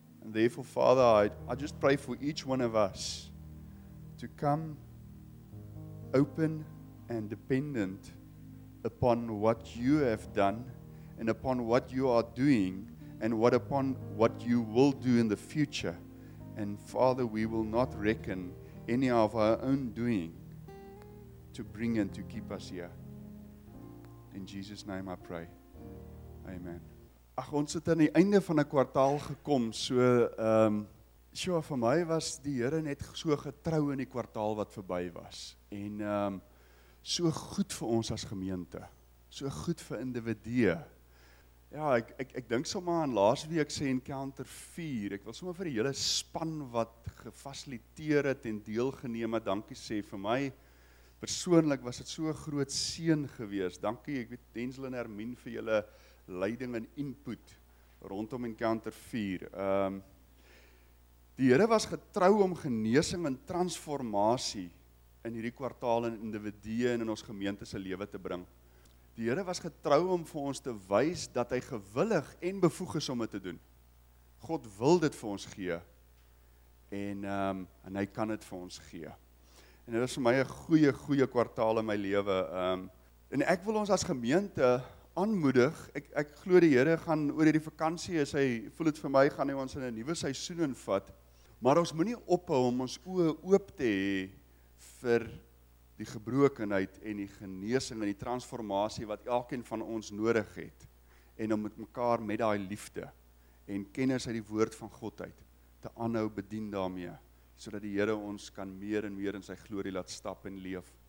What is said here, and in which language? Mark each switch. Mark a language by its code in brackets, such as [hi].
[en] And therefore, Father, I just pray for each one of us to come open and dependent upon what you have done and upon what you are doing. And what upon what you will do in the future. And Father, we will not reckon any of our own doing to bring and to keep us here. In Jesus' name I pray. Amen. [af] Ag, ons het aan die einde van 'n kwartaal gekom, so vir my was die Here net so getrou in die kwartaal wat verby was. En so goed vir ons as gemeente, so goed vir individue. Ja, ek dink sommer aan laas week se Encounter 4. Ek wil sommer vir die hele span wat gefasiliteer het en deelgeneem het, dankie sê. Vir my persoonlik was dit so 'n groot seën gewees. Dankie, ek weet Denzel en Hermien vir julle leiding en input rondom Encounter 4. Die Here was getrou om genesing en transformasie in hierdie kwartaal in individue en in ons gemeente se lewe te bring. Die Here was getrou om vir ons te wys dat hy gewillig en bevoeg is om dit te doen. God wil dit vir ons gee en hy kan dit vir ons gee. En dit is vir my 'n goeie kwartaal in my lewe. En ek wil ons as gemeente aanmoedig. Ek glo die Here gaan oor hierdie vakansie, as hy voel dit vir my, gaan hy ons in 'n nuwe seisoen invat. Maar ons moenie ophou om ons oë oop te hê vir die gebrokenheid en die genesing en die transformasie wat elkeen van ons nodig het, en om met mekaar met daai liefde en kennis uit die woord van God uit te aanhou bedien daarmee, sodat die Here ons kan meer en meer in sy glorie laat stap en leef.